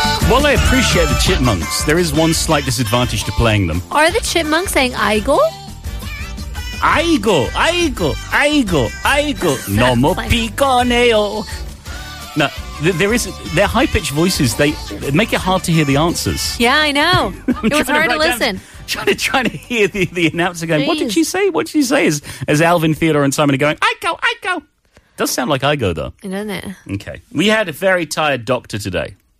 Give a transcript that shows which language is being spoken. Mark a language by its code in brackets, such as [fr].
[en] While I appreciate the chipmunks, there is one slight disadvantage to playing them. Are the chipmunks saying 아이고? [ko] 아이고, 아이고, 아이고, 아이고, 너무 피곤해요. [en] No, they're high-pitched voices. They make it hard to hear the answers. Yeah, I know. It was hard to listen. Trying to hear the announcer going, what did she say? What did she say? As Alvin, Theodore, and Simon are going, I go, I go. Does sound like I go, though. Doesn't it? Okay. We had a very tired doctor today,